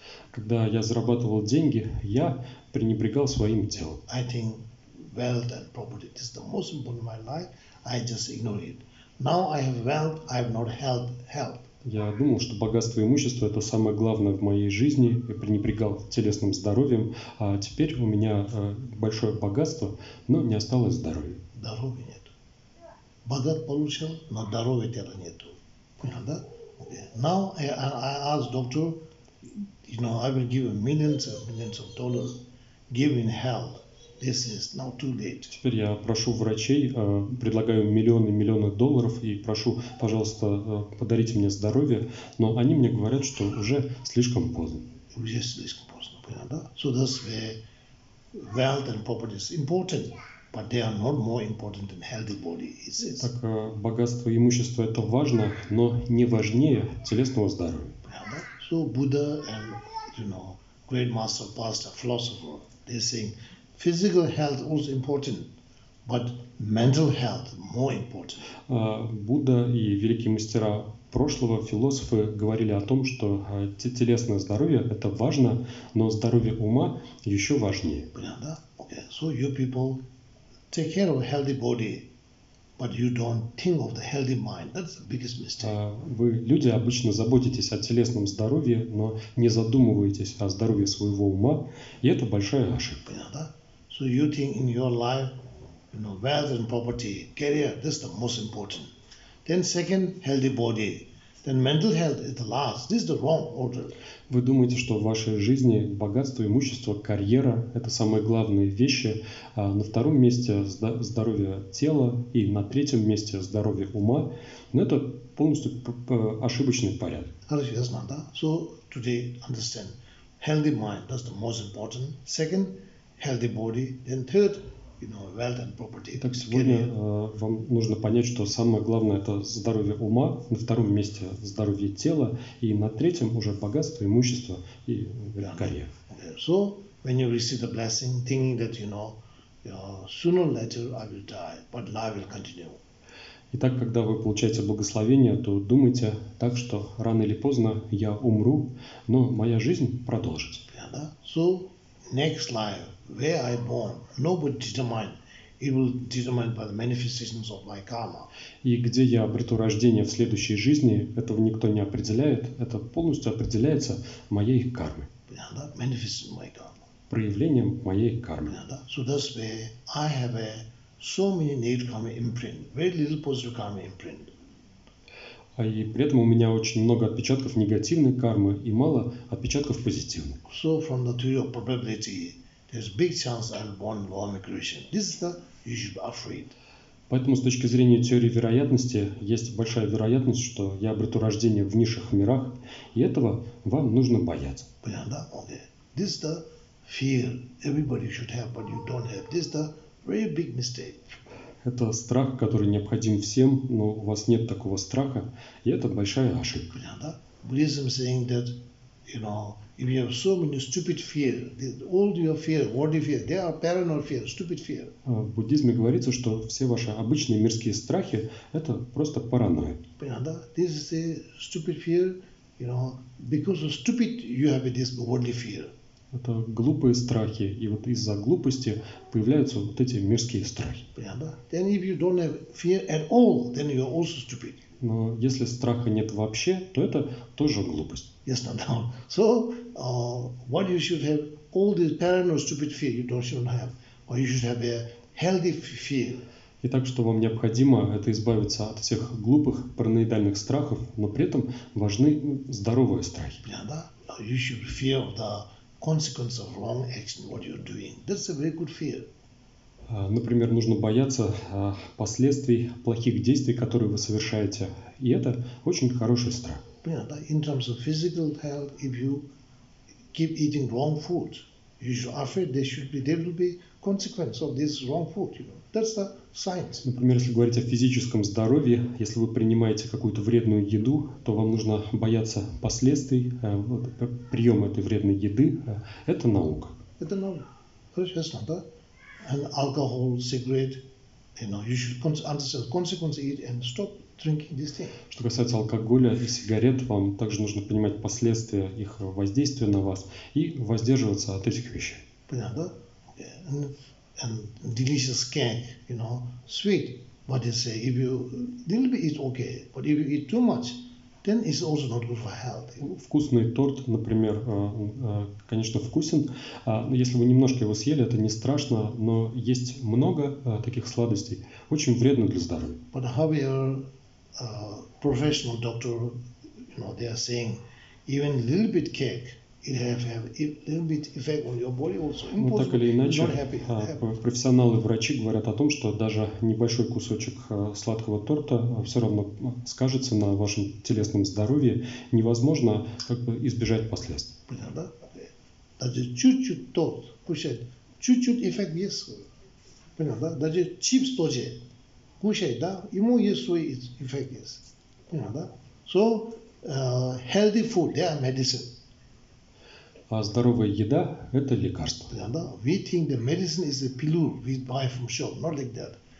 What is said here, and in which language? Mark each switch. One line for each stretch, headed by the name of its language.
Russian: Когда я зарабатывал деньги, я пренебрегал своим телом.
English: I think wealth and property is the most important in my life. I just ignore it. Now I have wealth, I have not health.
Russian: Я думал, что богатство и имущество это самое главное в моей жизни. Я пренебрегал телесным здоровьем, а теперь у меня большое богатство, но не осталось здоровья. Здоровья нет. Богат получил, но здоровья тела нету. Понял, да?
English: Now I ask doctor, I will give him millions and millions of dollars, give him health. This is now too late.
Russian: Теперь я прошу врачей, предлагаю миллионы и миллионы долларов и прошу, пожалуйста, подарите мне здоровье, но они мне говорят, что уже слишком поздно. Уже слишком поздно, понял, да?
English: So that's where wealth and property is important. But they are not more important than healthy body.
Russian: Так богатство и имущество это важно, но не важнее телесного здоровья. Правда?
English: So Buddha and great master, pastor, philosopher, they saying physical health also important, but mental health more important.
Russian: Будда и великие мастера прошлого, философы говорили о том, что телесное здоровье это важно, но здоровье ума еще важнее. Правда?
English: Okay. So you people take care of a healthy body, but you don't think of the healthy mind. That's the biggest mistake.
Russian: Вы люди обычно заботитесь о телесном здоровье, но не задумываетесь о здоровье своего ума, и это большая ошибка. Понятно?
English: So you think in your life, wealth and property, career, this is the most important. Then second, healthy body. Then mental health is the last. This is the wrong order.
Russian: Вы думаете, что в вашей жизни богатство, имущество, карьера – это самые главные вещи. А на втором месте здоровье тела и на третьем месте здоровье ума. Но это полностью ошибочный порядок. Хорошо, ясно, да?
English: So today understand, healthy mind – that's the most important. Second, healthy body. Then third, wealth and property.
Russian: Так сегодня вам нужно понять, что самое главное это здоровье ума, на втором месте здоровье тела, и на третьем уже богатство, имущество и карьера.
English: Okay. So when you receive the blessing, thinking that sooner or later I will die, but life will continue.
Russian: Итак, когда вы получаете благословение, то думайте так, что рано или поздно я умру, но моя жизнь продолжится.
English: Yeah,
Russian: да?
English: So next life. Where I born, nobody determine. It will determine by the manifestations of my karma.
Russian: И где я обрету рождение в следующей жизни, этого никто не определяет. Это полностью определяется моей кармой. Понятно?
English: Manifestation of my karma.
Russian: Проявлением моей кармы. Понятно?
English: So that's where I have so many negative karma imprint, very little positive karma imprint.
Russian: И при этом у меня очень много отпечатков негативной кармы и мало отпечатков позитивных.
English: So from the theory of probability, there's big chance I'm born Lord Krishna. This is the you should be afraid.
Russian: Поэтому с точки зрения теории вероятности есть большая вероятность, что я обрету рождение в низших мирах, и этого вам нужно бояться. Понятно?
English: Okay. This is the fear everybody should have, but you don't have. This is the very big mistake.
Russian: Это страх, который необходим всем, но у вас нет такого страха, и это большая ошибка. Понятно?
English: Buddhism saying that, you know, if you have so many stupid fear, all your fear, worldly fear, they are paranoid fear, stupid fear.
Russian: В буддизме говорится, что все ваши обычные мирские страхи – это просто паранойя. Понятно?
English: This is a stupid fear, you know, because of stupid you have this worldly fear.
Russian: Это глупые страхи, и вот из-за глупости появляются вот эти мирские страхи. Понятно?
English: Then if you don't have fear at all, then you are also stupid.
Russian: Но если страха нет вообще, то это тоже глупость.
English: Yes, no, no. So, what you should have all these paranoid stupid fear you don't shouldn't have, or you should have a healthy fear.
Russian: Итак, что вам необходимо, это избавиться от всех глупых параноидальных страхов, но при этом важны здоровые страхи. Понятно?
English: You should fear the consequence of wrong action, what you're doing. That's a very good fear.
Russian: Например, нужно бояться последствий плохих действий, которые вы совершаете. И это очень хороший страх. Понятно?
English: In terms of physical health, if you keep eating wrong food, you should afraid there should be, there will be consequence of this wrong food, you know. That's the science.
Russian: Например, если говорить о физическом здоровье, если вы принимаете какую-то вредную еду, то вам нужно бояться последствий приема этой вредной еды. Это наука. Это наука. Хорошо, ясно, да?
English: And alcohol, cigarette, you know, you should understand consequences eat and stop drinking this thing.
Russian: Что касается алкоголя и сигарет, вам также нужно понимать последствия их воздействия на вас и воздерживаться от этих вещей. Понятно, да?
English: And delicious cake, you know, sweet. But they say if you little bit is okay, but if you eat too much, then it's also not good for health.
Russian: Вкусный торт, например, конечно, вкусен. Если вы немножко его съели, это не страшно. Но есть много таких сладостей, очень вредно для здоровья.
English: But however, professional doctor, you know, they are saying even little bit cake. It have a little bit effect on your body also.
Russian: Ну, так или иначе, профессионалы-врачи говорят о том, что даже небольшой кусочек сладкого торта все равно скажется на вашем телесном здоровье. Невозможно как бы избежать последствий. Понятно? Даже чуть-чуть торт, кушать, чуть-чуть эффект есть. Понятно? Даже чипс тоже кушать, да? Ему есть свой эффект есть. Понятно?
English: So, healthy food, they are medicine.
Russian: А здоровая еда – это лекарство.
English: We think the medicine is a pill we buy from shop, not like that.